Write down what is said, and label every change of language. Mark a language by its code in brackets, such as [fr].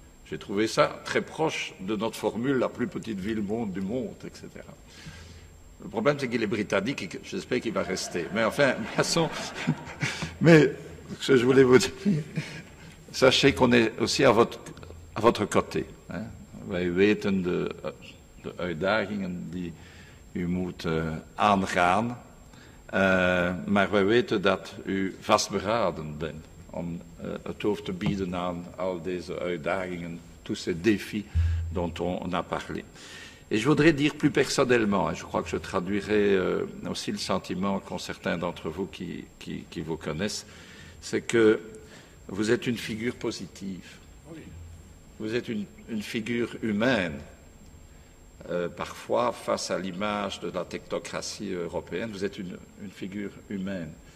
[fr] J'ai trouvé ça très proche de notre formule, la plus petite ville monde du monde, etc. Le problème, c'est qu'il est britannique et que j'espère qu'il va rester. Mais enfin, ce que je voulais vous dire, sachez qu'on est aussi à votre côté. [nl] Wij weten de uitdagingen die u moet aangaan. Maar wij weten dat u vastberaden bent om het hoofd te bieden aan al deze uitdagingen, [fr] tous ces défis dont on a parlé. Et je voudrais dire plus personnellement, et je crois que je traduirai aussi le sentiment qu'ont certains d'entre vous qui vous connaissent, c'est que vous êtes une figure positive. Vous êtes une figure humaine. Parfois, face à l'image de la technocratie européenne, vous êtes une figure humaine.